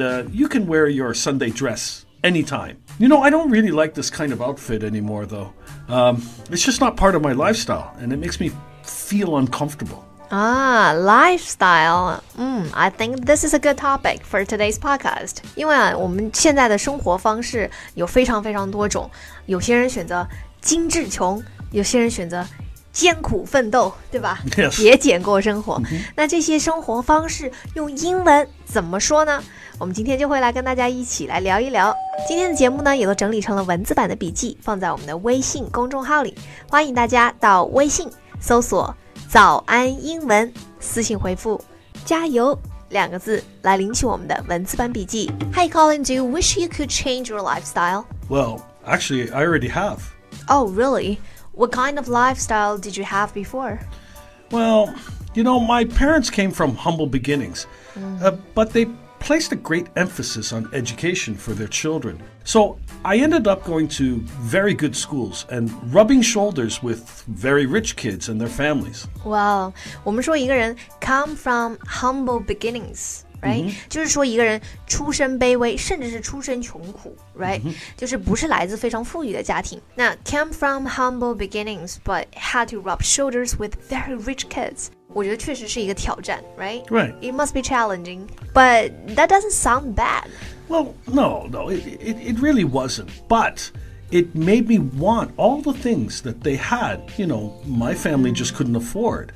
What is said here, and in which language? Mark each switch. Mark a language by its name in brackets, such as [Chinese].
[English] And you can wear your Sunday dress anytime. You know, I don't really like this kind of outfit anymore, though. It's just not part of my lifestyle, and it makes me feel uncomfortable. Ah, lifestyle. I think this is a good topic for today's podcast. [Chinese] 因为我们现在的生活方式有非常非常多种。有些人选择精致穷，有些人选择艰苦奋斗，对吧？ [English] Yes. [Chinese] 节俭过生活。Mm-hmm. 那这些生活方式用英文怎么说呢？我们今天就会来跟大家一起来聊一聊。今天的节目呢，也都整理成了文字版的笔记，放在我们的微信公众号里。欢迎大家到微信搜索“早安英文”，私信回复“加油”两个字来领取我们的文字版笔记。 [English] Hey Colin, do you wish you could change your lifestyle? Well, actually, I already have. Oh, really? What kind of lifestyle did you have before? Well, you know, my parents came from humble beginnings, but they. Placed a great emphasis on education for their children. So I ended up going to very good schools and rubbing shoulders with very rich kids and their families. [Chinese] Wow, 我们说一个人 [English] come from humble beginnings, [Chinese] right?、Mm-hmm. 就是说一个人出身卑微甚至是出身穷苦 right?、Mm-hmm. 就是不是来自非常富裕的家庭。 [English] 那 came from humble beginnings, but had to rub shoulders with very rich kids. [Chinese] 我觉得确实是一个挑战 right? [English] Right. It must be challenging. But that doesn't sound bad. Well, no. It really wasn't. But it made me want all the things that they had, you know, my family just couldn't afford.